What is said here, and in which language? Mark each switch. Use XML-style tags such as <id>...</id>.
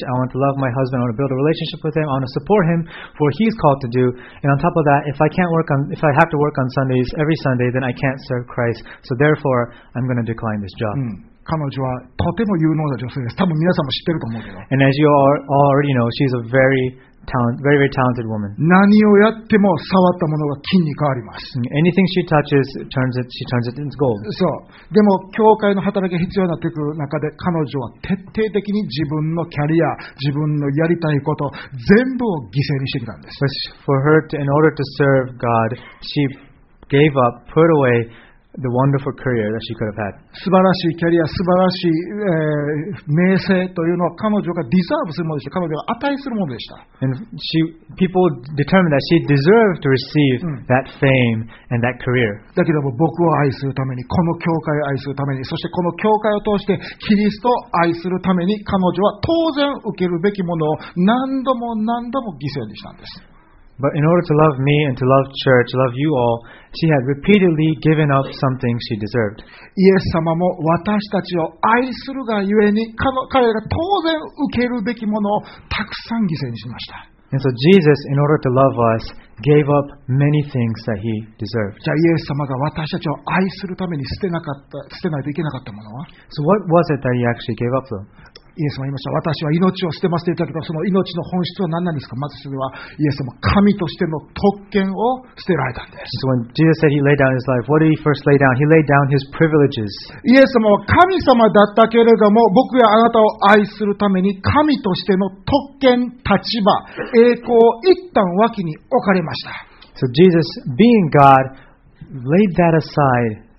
<en>I want to love my husband. I want to build a relationship with him. I want to support him for what he's called to do. And on top of that, if I have to work on Sundays, every Sunday, then I can't serve Christ. So therefore, I'm going to decline this job.</en> <ja>彼女はとても有能な女性です。多分皆さんも知ってると思うけど。</ja> <en>And as you all already know, she's a very very, very talented woman.</en> <ja>何をやっても触ったものが金に変わります。</ja> <en>Anything she touches, she turns it into gold.</en> <ja>そう。でも、教会の働きが必要になっていく中で、彼女は徹底的に自分のキャリア、自分のやりたいこと、全部を犠牲にしてきたんです。</ja> <en>For her to, in order to serve God, she gave up, put away the wonderful career that she could have had.</en> <ja>素晴らしいキャリア、素晴らしい、名声というのは彼女がdeserveするものでした。彼女が値するものでした。</ja> <en>And she, people determined that she deserved to receive that fame and that career.</en> <ja>だけども僕を愛するために、この教会を愛するために、そしてこの教会を通してキリストを愛するために、彼女は当然受けるべきものを何度も何度も犠牲にしたんです。</ja> <en>But in order to love me and to love church, love you all, she had repeatedly given up something she deserved.</en> <ja>イエス様も私たちを愛するがゆえに、彼が当然受けるべきものをたくさん犠牲にしました。</ja> <en>And so Jesus, in order to love us, gave up many things that he deserved.</en> <ja>じゃあイエス様が私たちを愛するために捨てなかった、捨てないといけなかったものは?</ja> <en>So what was it that he actually gave up though?</en> <ja>イエス様言いました。私は命を捨てますと言ったけど、その命の本質は何なんですか。まずそれはイエス様神としての特権を捨てられたんです。</ja> <en>So when Jesus said he laid down his life, what did he first lay down? He laid down his privileges.</en> <ja>イエス様は神様だったけれども、僕やあなたを愛するために神としての特権、立場、栄光を一旦脇に置かれました。</ja> <en>So Jesus, being God, laid that aside.</en>